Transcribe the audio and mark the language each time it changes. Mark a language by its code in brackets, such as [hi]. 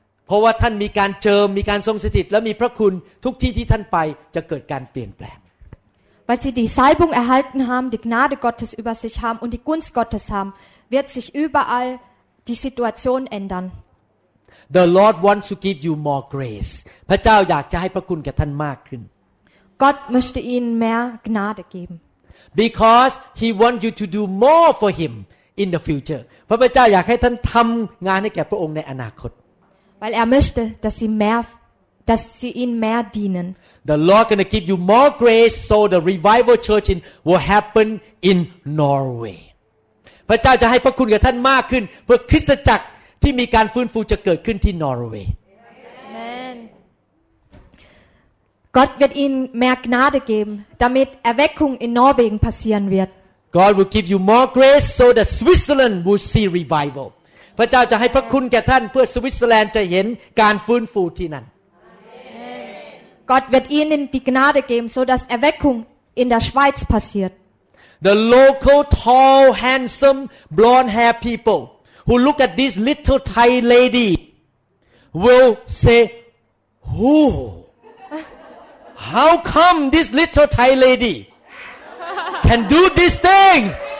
[en] Because you have a presence, you have a presence, and you have a presence. Every place you go, there will be a change. [de] Weil sie die Salbung erhalten haben, die Gnade Gottes über sich haben und die Gunst Gottes haben, wird sich überall die Situation ändern. [en] The Lord wants to give you more grace. [th] พระเจ้าอยากจะให้พระคุณแก่ท่านมากขึ้น [de] Gott möchte Ihnen mehr Gnade geben. [en] Because he wants you to do more for him in the future. [th] พระเจ้าอยากให้ท่านทำงานให้แก่พระองค์ในอนาคต [de] Weil möchte, dass sie ihn mehr dienen. [en] The Lord is going to give you more grace so the revival church will happen in Norway. [th] พระเจ้าจะให้พระคุณแก่ท่านมากขึ้นเพื่อคริสตจักรที่มีการฟื้นฟูจะเกิดขึ้นที่นอร์เวย์ [de] Gott wird Ihnen mehr Gnade geben, damit Erweckung in Norwegen passieren wird. [en] God will give you more grace so that Switzerland will see revival. [th] พระเจ้าจะให้พระคุณแก่ท่านเพื่อสวิตเซอร์แลนด์จะเห็นการฟื้นฟูที่นั่น [de] Gott wird Ihnen die Gnade geben, so dass Erweckung in der Schweiz passiert. [en] The local tall, handsome, blonde-haired people who look at this little Thai lady will say, "Who?" How come this little Thai lady can do this thing?